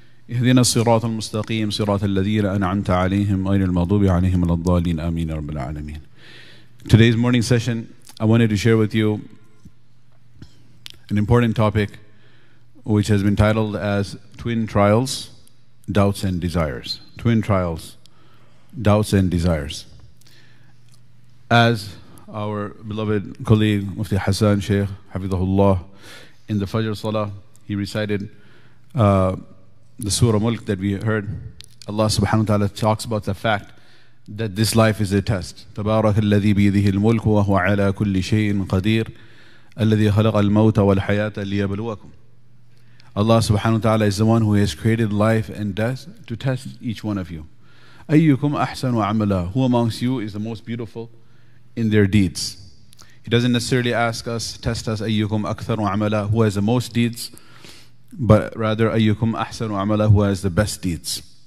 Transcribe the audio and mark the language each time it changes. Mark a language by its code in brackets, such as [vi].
[ar] اهدنا الصراط المستقيم صراط الذين أنعمت عليهم غير المغضوب عليهم ولا الضالين آمين رب العالمين. [en] Today's morning session, I wanted to share with you an important topic which has been titled as Twin Trials, Doubts and Desires. Twin Trials, Doubts and Desires. As our beloved colleague Mufti Hassan Sheikh Hafidhullah in the Fajr Salah, he recited the Surah Mulk that we heard. Allah subhanahu wa ta'ala talks about the fact that this life is a test. [ar] تبارك الذي بيده الملك وهو على كل شيء قدير الذي خلق الموت والحياة ليبلوكم. [en] Allah subhanahu wa ta'ala is the one who has created life and death to test each one of you. [ar] أيكم أحسن عملا. [en] Who amongst you is the most beautiful in their deeds? He doesn't necessarily ask us, test us, [ar] أيكم أكثر عملا, [en] who has the most deeds, but rather [ar] أَيُّكُمْ أَحْسَنُ عَمَلًا, [en] who has the best deeds.